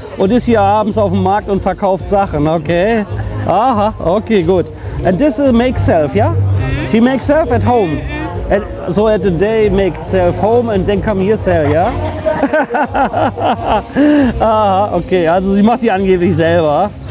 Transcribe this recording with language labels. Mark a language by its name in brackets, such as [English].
[German] Und ist hier abends auf dem Markt und verkauft Sachen, okay. Aha, okay, gut. [English] And this is make self, yeah? Mm-hmm. She makes self at home. Mm-hmm. And so at the day make self home and then come here sell, yeah? [German] Aha, okay, also sie macht die angeblich selber.